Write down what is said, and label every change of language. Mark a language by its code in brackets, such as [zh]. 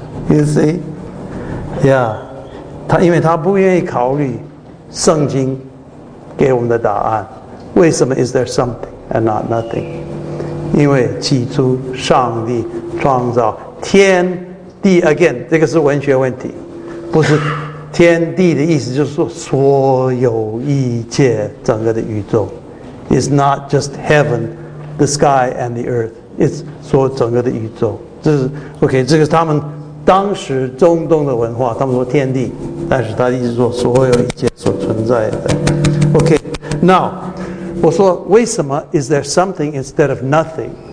[en] You see? Yeah. [zh] 他因为他不愿意考虑圣经给我们的答案，为什么 [en] is there something and not nothing? [zh] 因为起初上帝创造天地 again, 这个是文学问题，不是天地的意思，就是说所有一切整个的宇宙。 [en] It's not just heaven, the sky and the earth. [zh] It's 说整个的宇宙。这是 OK, 这个是他们当时中东的文化，他们说天地，但是他一直说所有一切所存在的。 [en] OK, now, [zh] 我说为什么 [en] is there something instead of nothing?